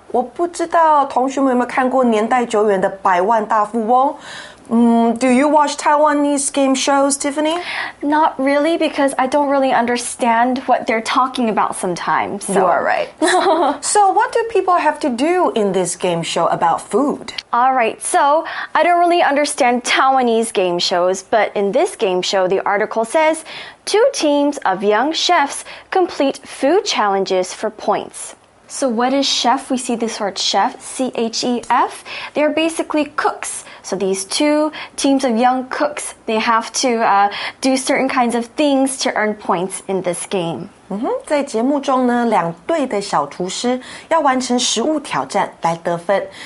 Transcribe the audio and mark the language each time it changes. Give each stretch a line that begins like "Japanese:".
Chinese: 我不知道同学们有没有看过年代久远的百万大富翁。
English: Do you watch Taiwanese game shows, Tiffany? Not really, because I don't really understand what they're talking about sometimes. So. You are right. So what do people have to do in this game show about food? All right, so I don't really understand Taiwanese game shows, but in this game show, the article says, two teams of young chefs complete food challenges for points. So what is chef? We see this word chef, C-H-E-F. They're basically cooks. So these two teams of young cooks, they have to do certain kinds of things to earn points in this game.
Chinese: 在节目中呢，两队的小厨师要完成食物挑战来得分。